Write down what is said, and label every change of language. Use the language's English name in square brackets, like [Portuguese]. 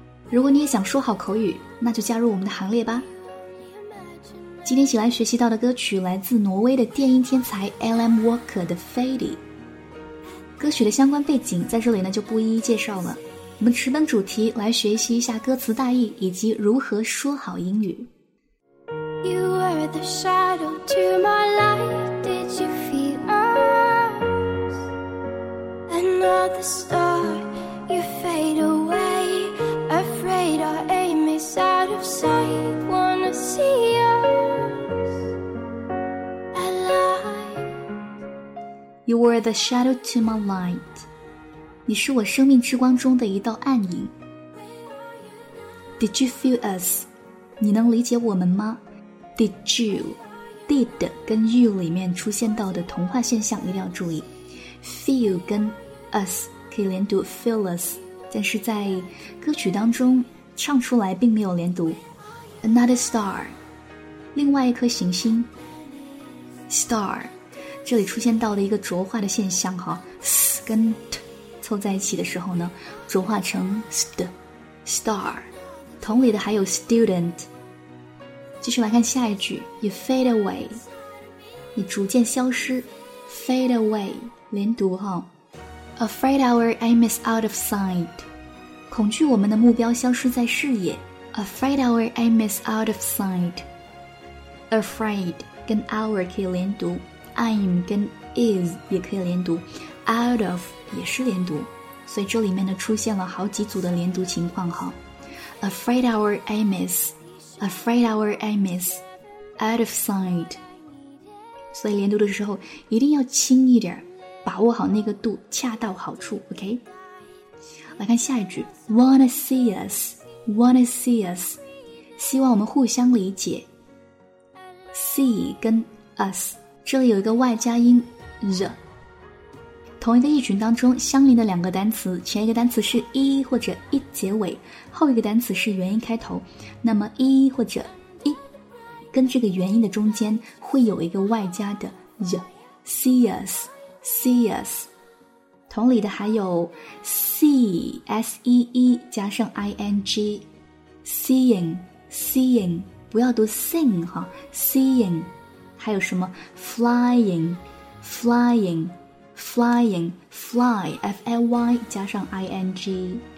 [Chinese] 如果你也想说好口语，那就加入我们的行列吧。今天一起来学习到的歌曲来自挪威的电音天才 LM Walker 的 Fady。歌曲的相关背景在这里呢就不一一介绍了，我们直奔主题来学习一下歌词大意以及如何说好英语。 [English] You are the shadow to my light, did you feel us? Another star, you fade away, afraid our aim is out of sight, wanna see us alive. You are the shadow to my light. [Chinese] 你是我生命之光中的一道暗影。 [English] Did you feel us? [Chinese] 你能理解我们吗？ [English] Did you? [Chinese] Did 跟 you 里面出现到的同化现象一定要注意。 Feel 跟 us 可以连读 feel us， 但是在歌曲当中唱出来并没有连读。 Another star， 另外一颗行星。Star， 这里出现到的一个浊化的现象哈 ，s 跟 t 凑在一起的时候呢，浊化成 st。 Star， 同理的还有 student。继续来看下一句 [English] You fade away， [Chinese] 你逐渐消失。 Fade away 连读哈。 [English] Afraid our aim is out of sight， [Chinese] 恐惧我们的目标消失在视野。 [English] Afraid our aim is out of sight。 [Chinese] Afraid 跟 our 可以连读， I'm 跟 is 也可以连读， out of 也是连读，所以这里面呢出现了好几组的连读情况哈。 [English] Afraid our aim isAfraid our aim is out of sight， [Chinese] 所以连读的时候一定要轻一点，把握好那个度，恰到好处。 OK， 来看下一句 [English] Wanna see us， Wanna see us， [Chinese] 希望我们互相理解。 See 跟 us 这里有一个外加音 the， 同一个意群当中相邻的两个单词，前一个单词是一或者一结尾，后一个单词是元音开头，那么一或者一跟这个元音的中间会有一个外加的 the。 See us， see us， 同理的还有 see， s-e-e 加上 ing， seeing， seeing， 不要读 sing 哈， seeing， 还有什么 flying， flying， flying， fly， f-l-y 加上 ing，